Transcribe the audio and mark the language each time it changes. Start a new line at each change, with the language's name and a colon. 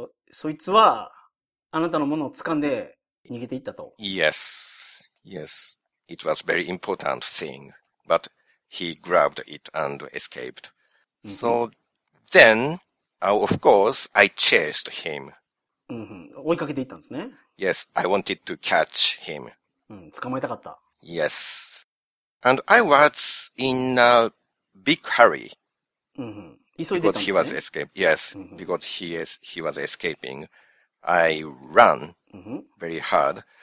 Japanese: そいつはあなたのものを掴んで逃げていったと。
English: Yes, yes. It was very important thing, but he grabbed it and escaped. So then, of course, I chased him.
Japanese: うんうん、追いかけていったんですね。
English: Yes, I wanted to catch him.
Japanese: うん、捕まえたかった。
English: Yes. And I was in a big hurry.
Japanese: うん、うん、急いでいたんですね。
English: Because he was escaping. Yes, because he was escaping. I ran very hard.